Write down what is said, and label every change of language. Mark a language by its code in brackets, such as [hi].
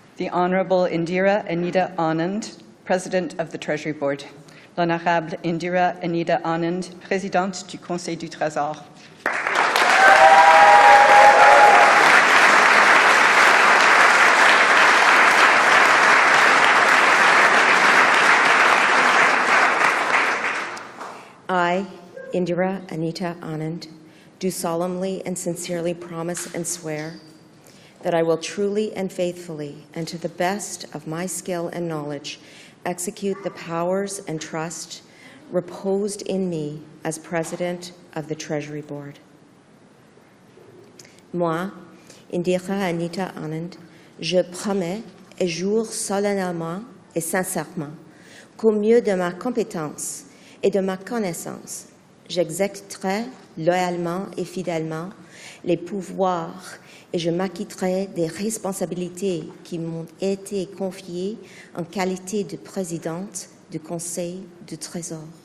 [en] Honorable Indira Anita Anand, President of the Treasury Board. [fr] L'honorable Indira Anita Anand, Présidente du Conseil du Trésor. [en] I, Indira Anita Anand, do solemnly and sincerely promise and swear that I will truly and faithfully, and to the best of my skill and knowledge, execute the powers and trust reposed in me as President of the Treasury Board. [fr] Moi, Indira Anita Anand, je promets et jure solennellement et sincèrement qu'au mieux de ma compétence et de ma connaissance, j'exécuterai loyalement et fidèlement les pouvoirs et je m'acquitterai des responsabilités qui m'ont été confiées en qualité de présidente du Conseil du Trésor.